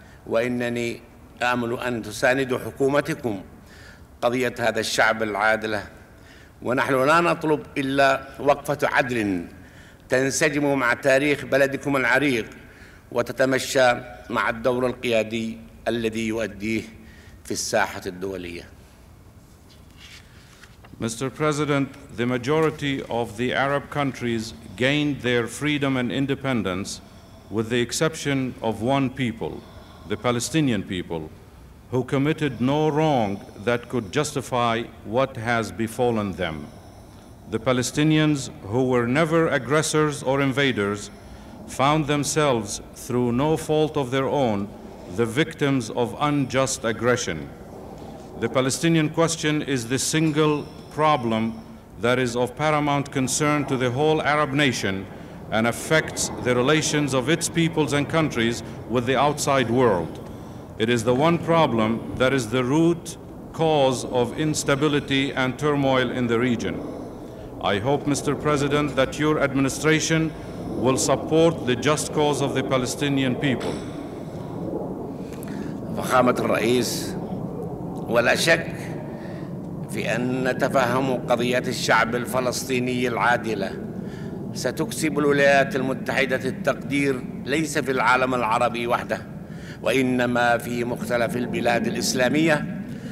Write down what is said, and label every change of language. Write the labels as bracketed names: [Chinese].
[Arabic] وإنني آمل أن تساند حكومتكم قضية هذا الشعب العادلة، ونحن لا نطلب إلا وقفة عدل تنسجم مع تاريخ بلدكم العريق وتتمشى مع الدور القيادي الذي يؤديه في الساحة الدولية. [English] Mr. President, the majority of the Arab countries gained their freedom and independence with the exception of one people, the Palestinian people, who committed no wrong that could justify what has befallen them. The Palestinians, who were never aggressors or invaders, found themselves, through no fault of their own, the victims of unjust aggression. The Palestinian question is the single problem that is of paramount concern to the whole Arab nation and affects the relations of its peoples and countries with the outside world. It is the one problem that is the root cause of instability and turmoil in the region. I hope, Mr. President, that your administration will support the just cause of the Palestinian people. [Arabic] فخامة الرئيس ولا شك في أن تفهم قضية الشعب الفلسطيني العادلة ستكسب الولايات المتحدة التقدير ليس في العالم العربي وحده وإنما في مختلف البلاد الإسلامية